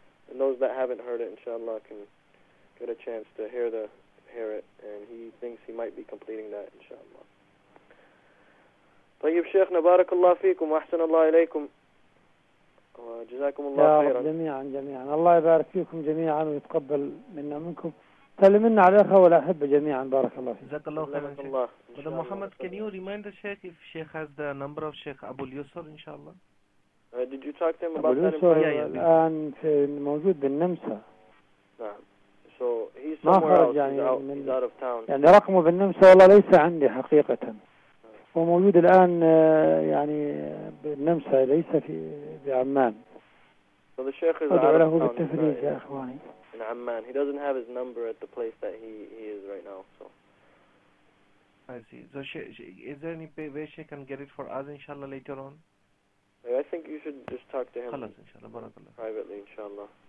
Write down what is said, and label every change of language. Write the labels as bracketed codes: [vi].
[en] And those that haven't heard it, inshallah, can get a chance to hear it. And he thinks he might be completing that, inshallah. [ar] طيب شيخ نبارك الله فيكم وأحسن الله إليكم وجزاكم الله خيرا. يا رب جميعا الله يبارك فيكم جميعا ويتقبل منا منكم. سلمنا على الأخوة والأحبة جميعا بارك الله فيكم. جزاك الله خيرا الله. [en] Brother Muhammad, can you remind the Sheikh if Sheikh has the number of Sheikh Abu Yusuf, inshallah? Did you talk to him about that in [ar] الآن في موجود بالنمسا. [en] So he's somewhere else. He's out of town. [ar] يعني رقمه بالنمسا والله ليس عندي حقيقة. هو موجود الآن يعني بالنمسا ليس في بعمان. [en] So the sheikh is out of town. [ar] بالتفريج يا إخواني. [en] In Amman, he doesn't have his number at the place that he is right now. So I see. So is there any way she can get it for us, inshallah, later on? I think you should just talk to him privately, inshallah.